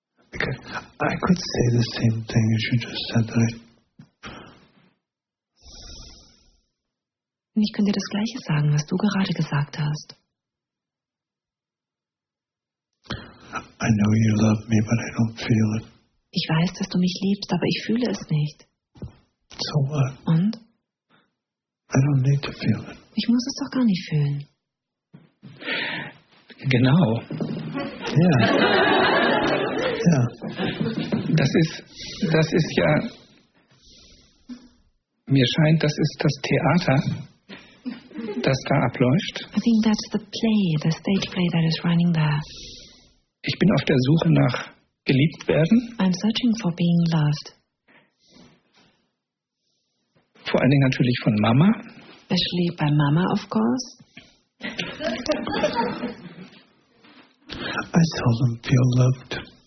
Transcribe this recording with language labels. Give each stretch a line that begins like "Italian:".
English: Because I could say the same thing as you just said that
German: ich könnte das Gleiche sagen, was du gerade gesagt hast.
English: I know you love me, but I don't feel it.
German: Ich weiß, dass du mich liebst, aber ich fühle es nicht.
English: So what?
German: Und?
English: I don't need to feel it.
German: Ich muss es doch gar nicht fühlen. Genau. Ja. Yeah. Ja. Das ist ja. Mir scheint, das ist das Theater. Das da abläuft.
English: I think that's the play, the stage play that is running there.
German: Ich bin auf der Suche nach geliebt werden.
English: I'm searching for being loved.
German: Vor allen Dingen natürlich von Mama.
English: Especially by Mama, of course. I seldom feel loved.